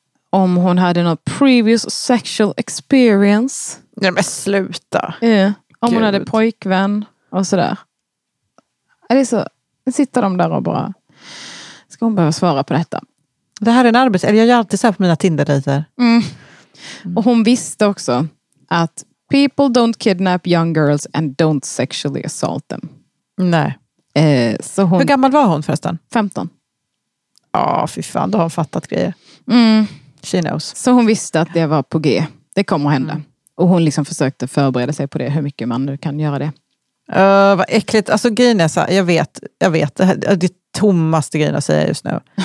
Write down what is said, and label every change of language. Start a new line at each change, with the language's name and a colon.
Swedish: Om hon hade något
English: previous sexual experience.
Swedish: Nej men sluta.
English: Yeah.
Swedish: Om Gud. Hon hade pojkvän och sådär. Eller så sitter de där och bara. Ska hon behöva svara på detta? Det här är en arbets... Eller jag gör alltid så här på mina Tinder-dater. Mm. Och hon visste också att
English: people don't kidnap young girls and don't sexually assault them.
Swedish: Nej. Så hon... Hur gammal var hon förresten? 15. Ja, fy fan, då har hon fattat grejer. Mm.
English: She knows.
Swedish: Så hon visste att det var på G. Det kommer att hända. Mm. Och hon liksom försökte förbereda sig på det, hur mycket man nu kan göra det. Vad äckligt. Alltså grejen är så här, jag vet, det här, det är tommaste grejen att säga just nu.